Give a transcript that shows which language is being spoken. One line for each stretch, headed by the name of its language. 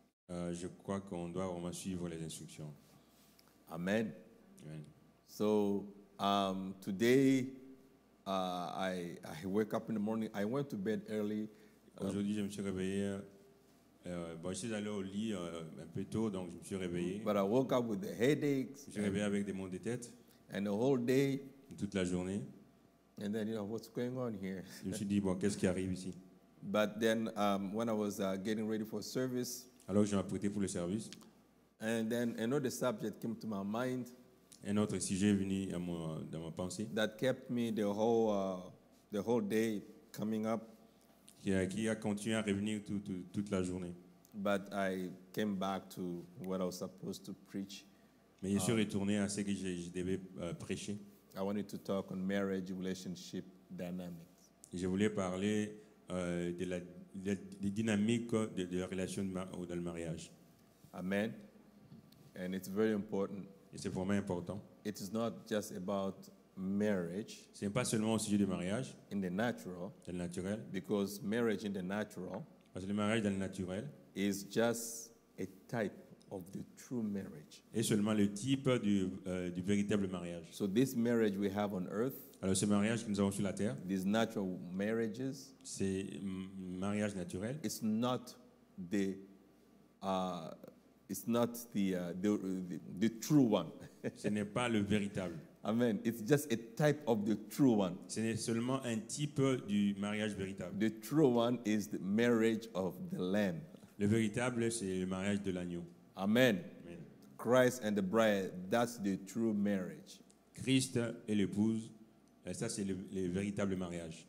French: Je crois qu'on doit vraiment suivre les instructions. Amen. Amen.
English: So today, I wake up in the morning. I went to bed early.
French: Aujourd'hui, je me suis réveillé. Je suis allé au lit un peu tôt, donc je me suis réveillé.
English: But I woke up with the headaches.
French: Je me réveillé avec des maux de tête.
English: And the whole day.
French: Toute la journée.
English: And then, you know, what's going on here?
French: Je me suis dit, bon, qu'est-ce qui arrive ici?
English: But then, when I was getting ready for service.
French: Alors, je m'apprêtais pour le service.
English: And then another subject came to my mind.
French: Un autre sujet est venu à mon, dans ma pensée.
English: That kept me the whole day coming up.
French: Qui a continué à revenir toute la journée.
English: But I came back to what I was supposed to preach.
French: Mais je suis retourné à ce que je devais prêcher.
English: I wanted to talk on marriage relationship dynamics.
French: Je voulais parler de la dynamique de la relation dans le mariage.
English: Amen. And it's very important.
French: Et c'est vraiment important.
English: It is not just about marriage.
French: Ce n'est pas seulement au sujet du mariage.
English: In the natural.
French: Dans le naturel.
English: Because marriage in the natural.
French: Parce que le mariage dans le naturel.
English: Is just a type of the true marriage.
French: Est seulement le type du véritable mariage.
English: So this marriage we have on earth.
French: Alors ce mariage que nous avons sur la terre.
English: These natural marriages.
French: Ces mariages naturels.
English: It's not the It's not the true one.
French: Ce n'est pas le véritable. Amen.
English: It's just a type of the true one.
French: Ce n'est seulement un type du mariage véritable.
English: The true one is the marriage of the Lamb.
French: Le véritable, c'est le mariage de l'agneau. Amen. Amen.
English: Christ and the bride, that's the true marriage.
French: Christ et l'épouse, et ça c'est le véritable mariage.